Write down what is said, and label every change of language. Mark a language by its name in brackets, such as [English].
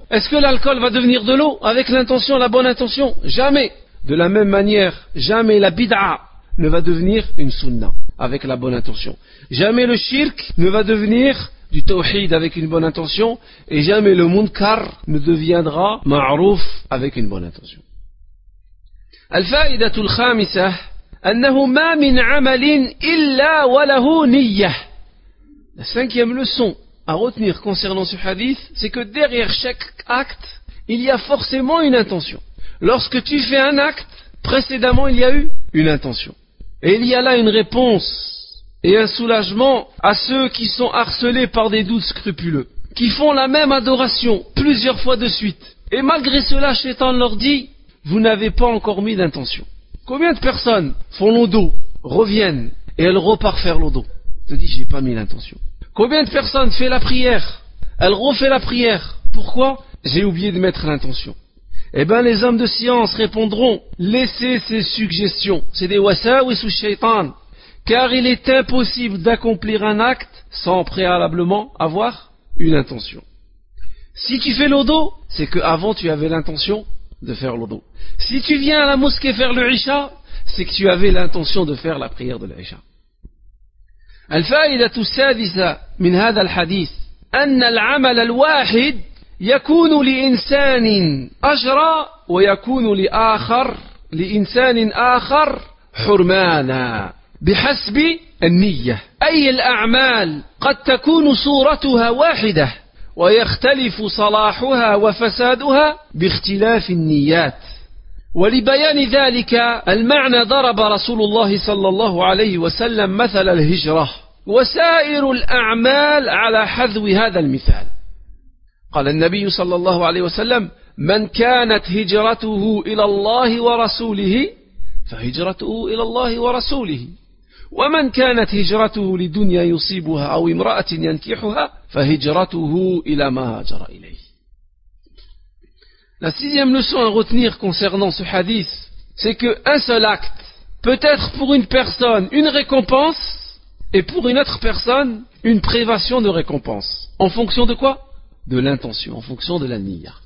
[French] Est-ce que l'alcool va devenir de l'eau avec l'intention, la bonne intention? Jamais. De la même manière, jamais la bid'a ne va devenir une sunna avec la bonne intention. Jamais le shirk ne va devenir du tawhid avec une bonne intention. Et jamais le munkar ne deviendra ma'rouf avec une bonne intention. [Arabic] الفائدة الخامسة أنه ما من عمل إلا وله نية. [French] La cinquième leçon à retenir concernant ce hadith, c'est que derrière chaque acte, il y a forcément une intention. Lorsque tu fais un acte, précédemment il y a eu une intention. Et il y a là une réponse et un soulagement à ceux qui sont harcelés par des doutes scrupuleux, qui font la même adoration plusieurs fois de suite. Et malgré cela, Shaitan leur dit, vous n'avez pas encore mis d'intention. Combien de personnes font l'odo, reviennent, et elles repartent faire l'odo? Te dis, j'ai pas mis l'intention. Combien de personnes font la prière? Elles refont la prière. Pourquoi? J'ai oublié de mettre l'intention. Eh bien, les hommes de science répondront, laissez ces suggestions. C'est des wasawis ou shaitan. Car il est impossible d'accomplir un acte sans préalablement avoir une intention. Si tu fais l'odo, c'est que avant tu avais l'intention de faire l'odo. Si tu viens à la mosquée faire le isha, c'est que tu avais l'intention de faire la prière de l'isha. [Arabic] الفائدة السادسة من هذا الحديث أن العمل الواحد يكون لإنسان أجرا ويكون لآخر لإنسان آخر حرمانا بحسب النية. أي الأعمال قد تكون صورتها واحدة ويختلف صلاحها وفسادها باختلاف النيات. ولبيان ذلك المعنى ضرب رسول الله صلى الله عليه وسلم مثل الهجرة وسائر الأعمال على حذو هذا المثال. قال النبي صلى الله عليه وسلم من كانت هجرته إلى الله ورسوله فهجرته إلى الله ورسوله ومن كانت هجرته لدنيا يصيبها أو امرأة ينكحها فهجرته إلى ما هاجر إليه. [French] La sixième leçon à retenir concernant ce hadith, c'est que un seul acte peut être pour une personne une récompense et pour une autre personne une privation de récompense. en fonction de quoi ? De l'intention, en fonction de la niya.